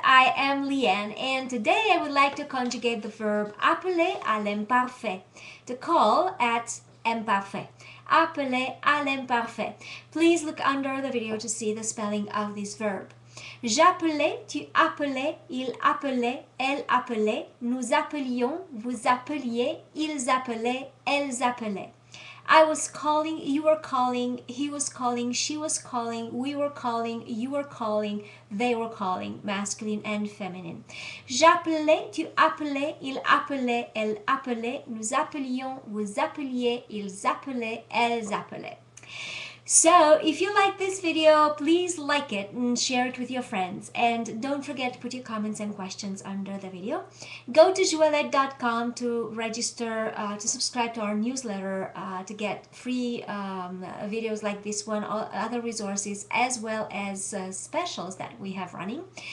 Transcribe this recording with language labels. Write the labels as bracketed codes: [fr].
[en] I am Llyane and today I would like to conjugate the verb [fr] appeler à l'imparfait, [en] to call at imparfait. [fr] Appeler à l'imparfait. [en] Please look under the video to see the spelling of this verb. [fr] J'appelais, tu appelais, il appelait, elle appelait, nous appelions, vous appeliez, ils appelaient, elles appelaient. [en] I was calling, you were calling, he was calling, she was calling, we were calling, you were calling, they were calling, masculine and feminine. [fr] J'appelais, tu appelais, il appelait, elle appelait, nous appelions, vous appeliez, ils appelaient, elles appelaient. [en] So, if you like this video, please like it and share it with your friends. And don't forget to put your comments and questions under the video. Go to joëlette.com to register, to subscribe to our newsletter, to get free videos like this one, all other resources, as well as specials that we have running.